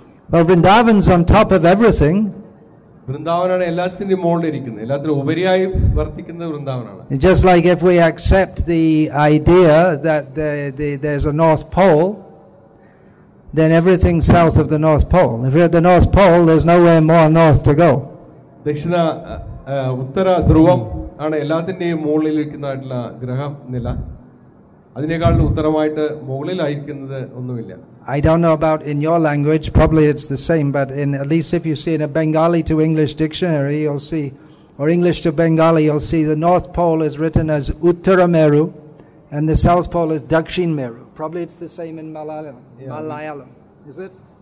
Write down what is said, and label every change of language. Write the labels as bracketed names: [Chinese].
[English] Well, Vrindavan's on top of everything. [Malayalam] വൃന്ദാവനാണ് എല്ലാത്തിൻ്റെ മുകളിലിരിക്കുന്നത്, എല്ലാത്തിനും ഉപരിയായി വർത്തിക്കുന്ന വൃന്ദാവനാണ്. [English] Just like if we accept the idea that there's a north pole, then everything south of the north pole. If you're at the north pole, there's nowhere more north to go. [Malayalam] ദക്ഷിണ ഉത്തര ധ്രുവം ആണ് എല്ലാത്തിൻ്റെയും മുകളിലിരിക്കുന്നതായിട്ടുള്ള ഗ്രഹം നില. അതിനേക്കാളും ഉത്തരമായിട്ട് മുകളിലായിരിക്കുന്നത് ഒന്നുമില്ല. [English] I don't know about in your language, probably it's the same, but in at least if you see in a Bengali to English dictionary, you'll see, or English to Bengali, you'll see the North Pole is written as Uttarameru and the South Pole is Dakshin Meru. Probably it's the same in Malayalam. Yeah. Malayalam. Is it?